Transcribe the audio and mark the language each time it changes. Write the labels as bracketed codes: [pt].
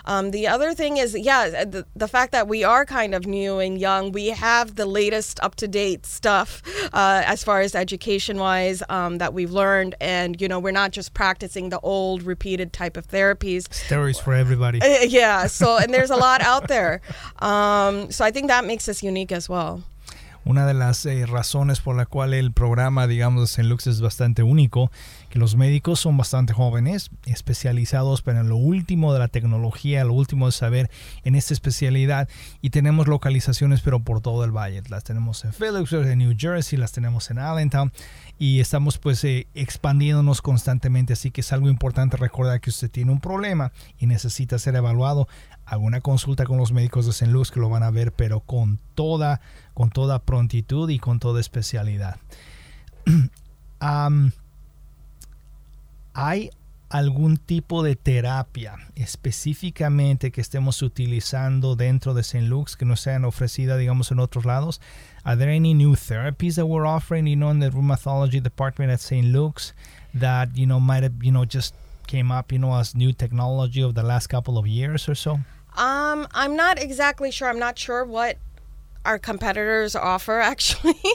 [en] The other thing is, the fact that we are kind of new and young, we have the latest up-to-date stuff as far as education-wise that we've learned. And, you know, we're not just practicing the old repeated type of therapies. Steroids for everybody. Yeah. So, and there's a lot out there. So I think that makes us unique as well. [es] Una de las razones por la cual el programa, digamos, de St. Luke's es bastante único, que los médicos son bastante jóvenes, especializados pero en lo último de la tecnología, lo último de saber en esta especialidad, y tenemos localizaciones pero por todo el valle. Las tenemos en Phillipsburg, en New Jersey, las tenemos en Allentown, y estamos pues expandiéndonos constantemente, así que es algo importante recordar que usted tiene un problema y necesita ser evaluado. Alguna consulta con los médicos de St. Luke's que lo van a ver, pero con toda prontitud y con toda especialidad. ¿Hay algún tipo de terapia específicamente que estemos utilizando dentro de St. Luke's que no sean ofrecida, digamos, en otros lados? [en] Are there any new therapies that we're offering, you know, in the rheumatology department at St. Luke's that, you know, might have, you know, just came up, you know, as new technology of the last couple of years or so? I'm not exactly sure. I'm not sure what our competitors offer, actually.